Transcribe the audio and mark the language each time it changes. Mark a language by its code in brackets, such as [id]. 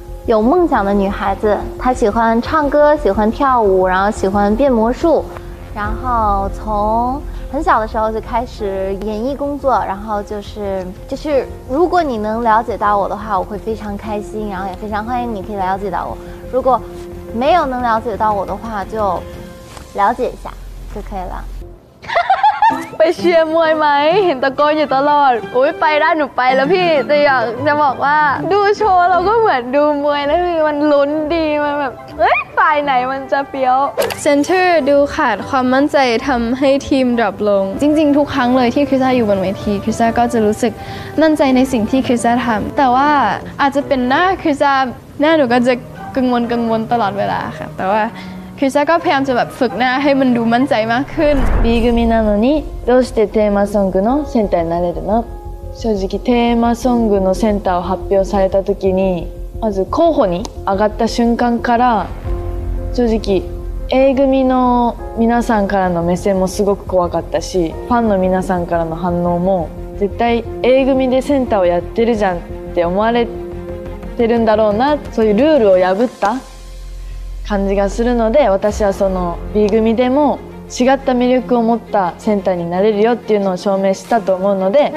[zh] 有梦想的女孩子她喜欢唱歌喜欢跳舞然后喜欢变魔术然后从很小的时候就开始演艺工作，然后就是如果你能了解到我的话，我会非常开心，然后也非常欢迎你可以了解到我。如果没有能了解到我的话，就了解一下就可以了。 [th] ไปเชียร์มวยไหมเห็นตะก้อนอยู่ตลอดโอ้ยไปด้านหนูไปแล้วพี่แต่อยากจะบอกว่าดูโชว์เราก็เหมือนดูมวยนะพี่มันลุ้นดีมันแบบเฮ้ยฝ่ายไหนมันจะเปี้ยว เซนเตอร์ดูขาดความมั่นใจทำให้ทีมดรอปลงจริงๆทุกครั้งเลยที่คริสต้าอยู่บนเวทีคริสต้าก็จะรู้สึกมั่นใจในสิ่งที่คริสต้าทำแต่ว่าอาจจะเป็นหน้าคริสต้าหน้าหนูก็จะกังวลตลอดเวลาค่ะแต่ว่าคือฉันก็พยายามจะแบบฝึกหน้าให้มันดูมั่นใจมากขึ้น [ja] B 組なのにどうしてテーマソングのセンターになれるの正直テーマソングのセンターを発表された時にまず候補に上がった瞬間から正直 A 組の皆さんからの目線もすごく怖かったしファンの皆さんからの反応も絶対 A 組でセンターをやってるじゃんって思われてるんだろうなそういうルールを破った感じがするので私はその B 組でも違った魅力を持ったセンターになれるよっていうのを証明したと思うので